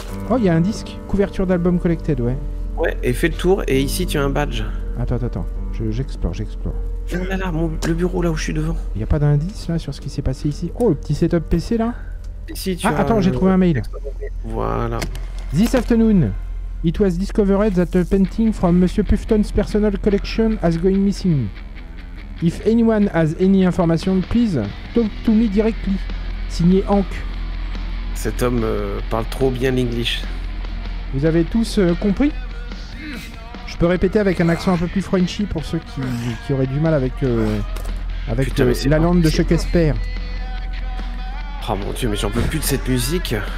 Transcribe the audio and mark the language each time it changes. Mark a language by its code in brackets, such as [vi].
[fr] Oh, il y a un disque. Couverture d'album collected, ouais. Ouais, et fais le tour, et ici, tu as un badge. Attends. J'explore. Oh là là, le bureau là où je suis devant. Il y a pas d'indice là sur ce qui s'est passé ici. Oh, le petit setup PC là. Si tu ah, attends, j'ai trouvé un mail. Voilà. [en] This afternoon, it was discovered that a painting from Monsieur Pufton's personal collection has gone missing. If anyone has any information, please talk to me directly. [fr] Signé Hank. Cet homme parle trop bien l'English. Vous avez tous compris? Je peux répéter avec un accent un peu plus frenchy pour ceux qui auraient du mal avec, avec la langue de Chuck Esper. Oh mon dieu, mais j'en peux plus de cette musique.